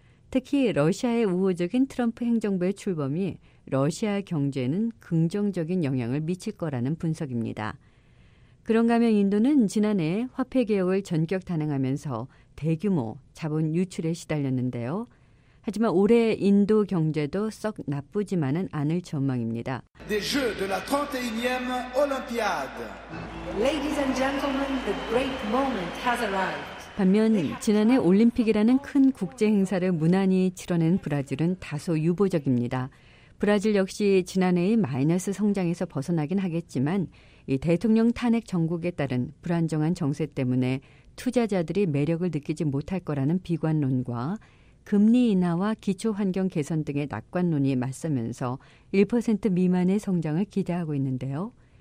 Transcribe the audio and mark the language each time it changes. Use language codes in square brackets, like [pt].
[ko] 특히 러시아의 우호적인 트럼프 행정부의 출범이 러시아 경제에는 긍정적인 영향을 미칠 거라는 분석입니다. 그런가 하면 인도는 지난해 화폐개혁을 전격 단행하면서 대규모 자본 유출에 시달렸는데요. 하지만 올해 인도 경제도 썩 나쁘지만은 않을 전망입니다. [fr] The Jeux de la 31e Olympiade. [en] Ladies and gentlemen, the great moment has arrived. [ko] 반면 지난해 올림픽이라는 큰 국제 행사를 무난히 치러낸 브라질은 다소 유보적입니다. 브라질 역시 지난해의 마이너스 성장에서 벗어나긴 하겠지만 이 대통령 탄핵 정국에 따른 불안정한 정세 때문에 투자자들이 매력을 느끼지 못할 거라는 비관론과 금리 인하와 기초 환경 개선 등의 낙관론이 맞서면서 1% 미만의 성장을 기대하고 있는데요.